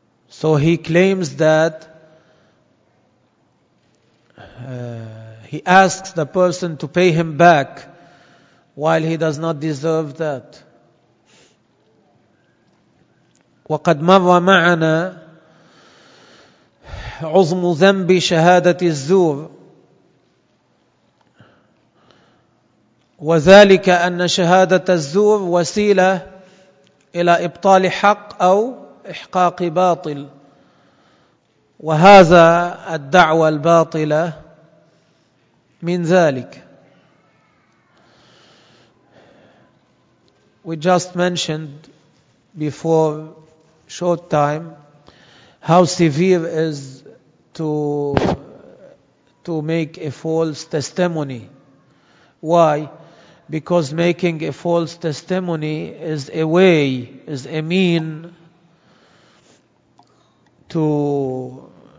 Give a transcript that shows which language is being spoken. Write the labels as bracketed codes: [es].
[en] So he claims that he asks the person to pay him back while he does not deserve that. [ar] وَقَدْ مَرَّ مَعَنَا عُظْمُ ذَنْبِ شَهَادَةِ الزُّورِ وَذَلِكَ أَنَّ شَهَادَةَ الزُّورِ وَسِيلَةٌ إِلَى إِبْطَالِ حَقٍّ أَوْ إِحْقَاقِ بَاطِلٍ وهذا الدعوة الباطلة من ذلك. [en] We just mentioned before short time how severe is to make a false testimony. Why? Because making a false testimony is a way, is a mean to